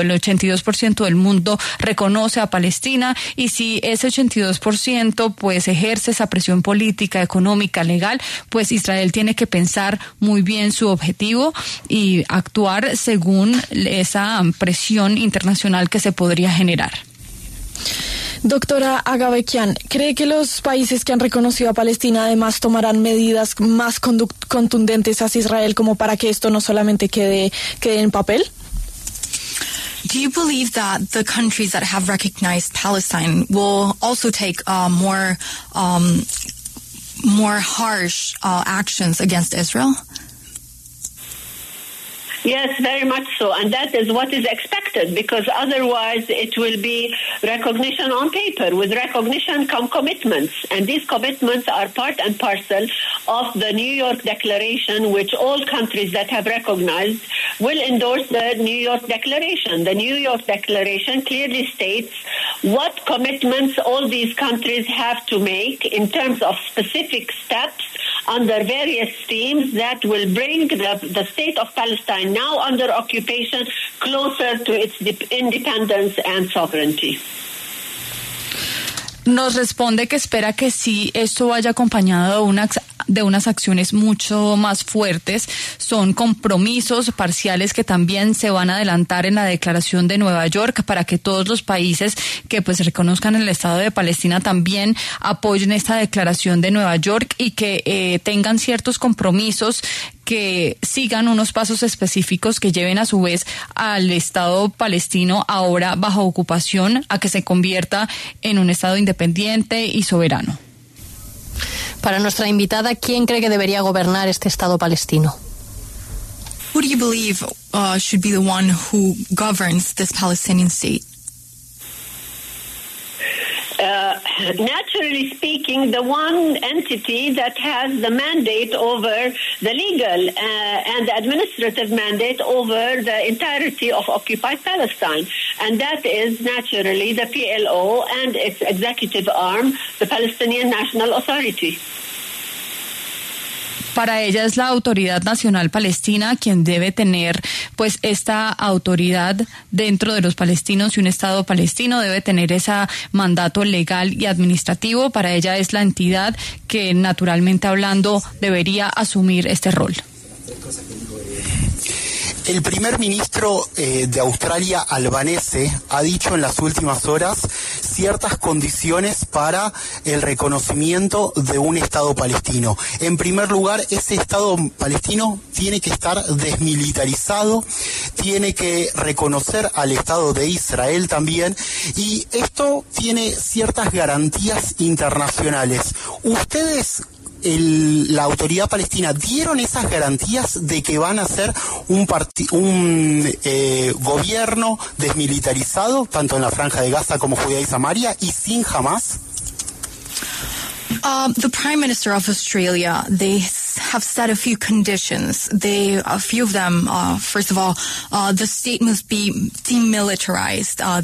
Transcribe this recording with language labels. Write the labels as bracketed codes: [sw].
[es] El 82% del mundo reconoce a Palestina y si ese 82% pues ejerce esa presión política, económica, legal, pues Israel tiene que pensar muy bien su objetivo y actuar según esa presión internacional que se podría generar. Doctora Aga Vekian, ¿cree que los países que han reconocido a Palestina además tomarán medidas más contundentes hacia Israel como para que esto no solamente quede en papel? [en] Do you believe that the countries that have recognized Palestine will also take more harsh actions against Israel? Yes, very much so. And that is what is expected, because otherwise it will be recognition on paper. With recognition come commitments. And these commitments are part and parcel of the New York Declaration, which all countries that have recognized will endorse the New York Declaration. The New York Declaration clearly states what commitments all these countries have to make in terms of specific steps under various themes that will bring the state of Palestine, now under occupation, closer to its independence and sovereignty. [es] Nos responde que espera que sí, esto vaya acompañado de unas acciones mucho más fuertes. Son compromisos parciales que también se van a adelantar en la declaración de Nueva York para que todos los países que pues reconozcan el Estado de Palestina también apoyen esta declaración de Nueva York y que tengan ciertos compromisos que sigan unos pasos específicos que lleven a su vez al Estado palestino ahora bajo ocupación a que se convierta en un Estado independiente y soberano. Para nuestra invitada, ¿quién cree que debería gobernar este Estado palestino? [en] Who do you believe should be the one who governs this Palestinian state? Naturally speaking, the one entity that has the mandate over the legal and the administrative mandate over the entirety of occupied Palestine, and that is naturally the PLO and its executive arm, the Palestinian National Authority. [es] Para ella es la Autoridad Nacional Palestina quien debe tener pues esta autoridad dentro de los palestinos, y un Estado palestino debe tener ese mandato legal y administrativo. Para ella es la entidad que, naturalmente hablando, debería asumir este rol. El primer ministro de Australia, Albanese, ha dicho en las últimas horas ciertas condiciones para el reconocimiento de un Estado palestino. En primer lugar, ese Estado palestino tiene que estar desmilitarizado, tiene que reconocer al Estado de Israel también, y esto tiene ciertas garantías internacionales. ¿Ustedes, la autoridad palestina, dieron esas garantías de que van a ser un gobierno desmilitarizado, tanto en la Franja de Gaza como Judea y Samaria, y sin Hamas? [en] The Prime Minister of Australia, they have set a few conditions. First of all, the state must be demilitarized.